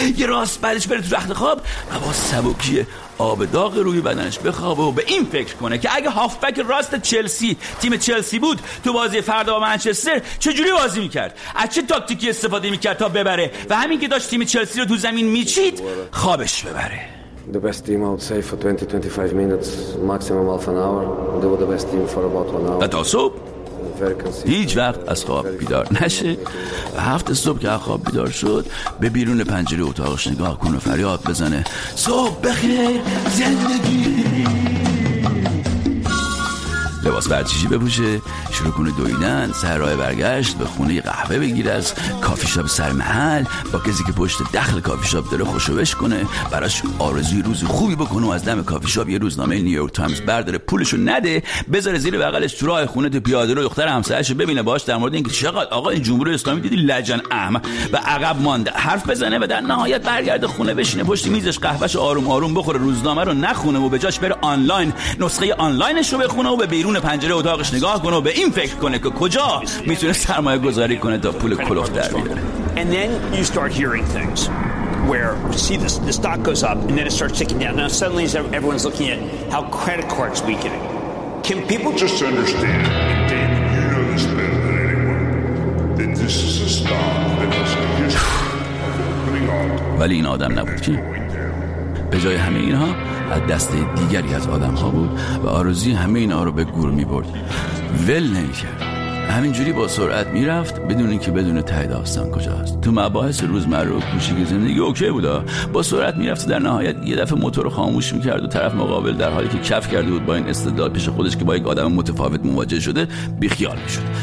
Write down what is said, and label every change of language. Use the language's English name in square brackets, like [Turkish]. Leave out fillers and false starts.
[Persian] یه راست بعدش بره تو رخت خواب و با سبکی آب داغ روی بدنش بخوابه و به این فکر کنه که اگه هافبک راست چلسی تیم چلسی بود تو بازی فردا با منچستر چجوری بازی میکرد، از چه تاکتیکی استفاده میکرد تا ببره و همین که داشت تیم چلسی رو تو زمین میچید خوابش ببره. [English] The best team I would say for 20-25 minutes, maximum half an hour. They were the best team for about one hour. [Persian] تا صبح هیچ وقت از خواب بیدار نشه. هفت صبح که از خواب بیدار شد به بیرون پنجره اتاقش نگاه کن و فریاد بزنه صبح بخیر زندگی. لباس ورزشی بپوشه، شروع کنه دویدن، سر راه برگشت به خونه قهوه بگیر از کافی شاپ سر محل، با کسی که پشت دخل کافی شاپ داره خوشوبش کنه، براش آرزوی روز خوبی بکنه و از دم کافی شاپ یه روزنامه نیویورک تایمز برداره پولشو نده بذاره زیر بغلش تو راه خونه تو پیاده رو دختر همسرش ببینه باهاش در مورد اینکه چقدر آقا این جمهوری اسلامی دیدی لجن احمق و عقب مانده حرف بزنه و در نهایت برگرده خونه بشینه پشت میزش قهوهش آروم آروم بخوره روزنامه رو نخونه و به جاش بره آنلاین نسخه آنلاینش رو بخونه و اون پنجره اتاقش نگاه کنه و به این فکر کنه که کجا میتونه سرمایه گذاری کنه تا پول کلوخ در بیاره. [English] And then you start hearing things where see the stock goes up and then it starts ticking down. Now suddenly everyone's looking at how credit cards weakening. Can people just understand that you know this better than anyone that this is a stock that has a history. [Persian] ولی این آدم نبود که به جای همه اینها از دسته دیگری از آدم ها بود و آرزوی همه اینا رو به گور می برد. ول نمی کرد. همینجوری با سرعت میرفت بدون اینکه بدون ته داستان کجاست. تو مباحث روزمره و کوچیک زندگی اوکی بودا، با سرعت میرفت و در نهایت یه دفعه موتور خاموش میکرد و طرف مقابل در حالی که کف کرده بود با این استدلال پیش خودش که با یک آدم متفاوت مواجه شده بیخیال میشد.